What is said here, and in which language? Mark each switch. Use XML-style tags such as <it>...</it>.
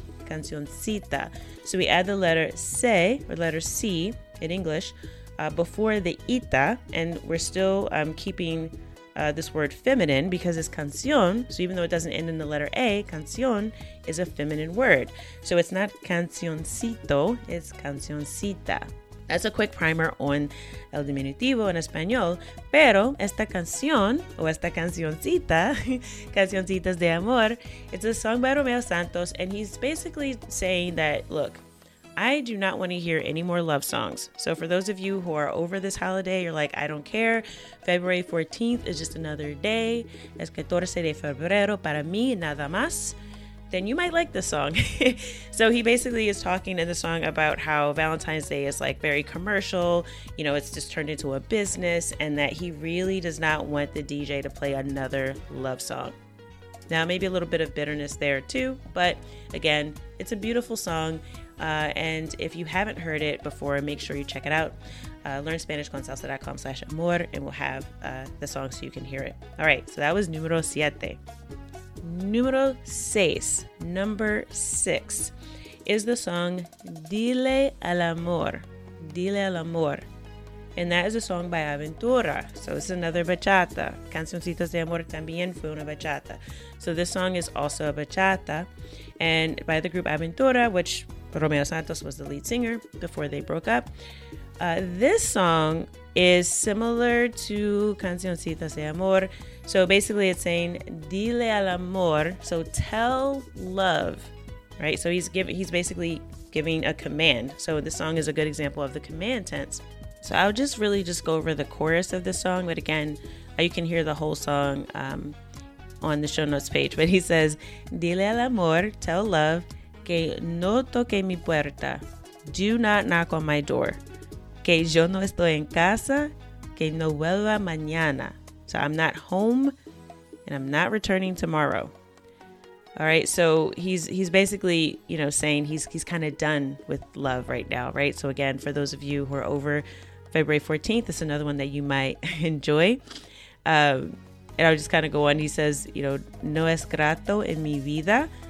<en>Cancioncita. So we add the letter C, or letter C in English, before the ita, and we're still keeping this word feminine because it's cancion. So even though it doesn't end in the letter A, cancion is a feminine word. So it's not cancioncito, it's cancioncita. That's a quick primer on</en> <es>el diminutivo en español. Pero esta canción, o esta cancioncita,</es> <en>Cancioncitas de Amor, it's a song by Romeo Santos, and he's basically saying that, look, I do not want to hear any more love songs. So for those of you who are over this holiday, you're like, I don't care. February 14th is just another day.</en> <es>Es 14 de febrero para mí, nada más.</es> <en>Then you might like the song. So he basically is talking in the song about how Valentine's Day is like very commercial, you know, it's just turned into a business, and that he really does not want the DJ to play another love song. Now, maybe a little bit of bitterness there too, but again, it's a beautiful song. And if you haven't heard it before, make sure you check it out. LearnSpanishConSalsa.com/amor, and we'll have the song so you can hear it. All right, so that was</en> <es>Número Siete. Número seis,</es> <en>number six, is the song Dile al Amor, Dile al Amor. And that is a song by Aventura. So this is another bachata.</en> <es>Cancioncitas de Amor también fue una bachata.</es> <en>So this song is also a bachata, and by the group Aventura, which Romeo Santos was the lead singer before they broke up. This song is similar to Cancioncitas de Amor. So basically it's saying,</en> <es>dile al amor,</es> <en>so tell love, right? So he's basically giving a command. So this song is a good example of the command tense. So I'll just really just go over the chorus of this song, but again, you can hear the whole song on the show notes page. But he says,</en> <es>dile al amor,</es> <en>tell love,</en> <es>que no toque mi puerta,</es> <en>do not knock on my door.</en> <es>Que yo no estoy en casa, que no vuelva mañana.</es> <en>So I'm not home and I'm not returning tomorrow. All right, so he's basically, you know, saying he's kind of done with love right now, right? So again, for those of you who are over February 14th, it's another one that you might enjoy. And I'll just kind of go on. He says, you know,</en> <es>no es grato en mi vida.</es>